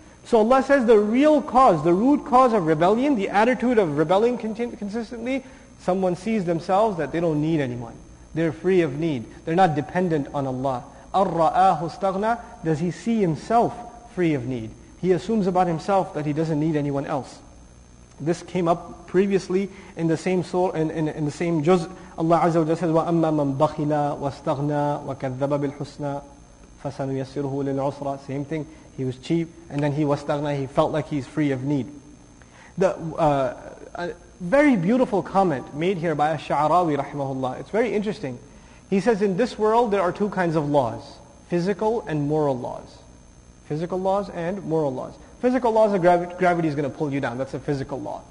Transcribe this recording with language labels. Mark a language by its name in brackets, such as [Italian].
[English] So Allah says the real cause, the root cause of rebellion, the attitude of rebelling consistently, someone sees themselves that they don't need anyone. They're free of need. They're not dependent on Allah. [Arabic] أَرَّآهُ اسْتَغْنَى. [English] Does he see himself free of need? He assumes about himself that he doesn't need anyone else. This came up previously in the same surah, in the same juz. Allah Azza wa Jalla says, [Arabic] وَأَمَّا مَنْ بَخِلَى وَاسْتَغْنَى وَكَذَّبَ بِالْحُسْنَى فَسَنُيَسِّرُهُ لِلْعُسْرَى. [English] Same thing. He was cheap, and then he was wastaghna, he felt like he's free of need. The a very beautiful comment made here by al-Sha'rawi rahimahullah. It's very interesting. He says, in this world there are two kinds of laws, physical and moral laws. Physical laws and moral laws. Physical laws are gravity is going to pull you down, that's a physical law.